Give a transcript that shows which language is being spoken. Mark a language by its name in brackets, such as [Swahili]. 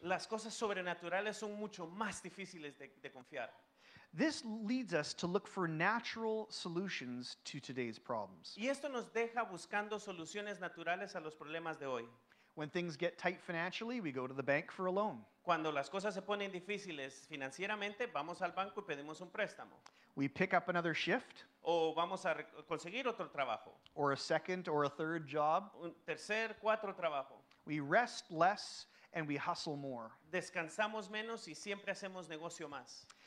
[Spanish] Las cosas sobrenaturales son mucho más difíciles de confiar. [English] This leads us to look for natural solutions to today's problems. [Spanish] Y esto nos deja buscando soluciones naturales a los problemas de hoy. [English] When things get tight financially, we go to the bank for a loan. [Spanish] Cuando las cosas se ponen difíciles financieramente, vamos al banco y pedimos un préstamo. [English] We pick up another shift. [Spanish] O vamos a conseguir otro trabajo. [English] Or a second or a third job. [Spanish] Un tercer, cuatro trabajo. [English] We rest less and we hustle more. [Spanish] Descansamos menos y siempre hacemos negocio más.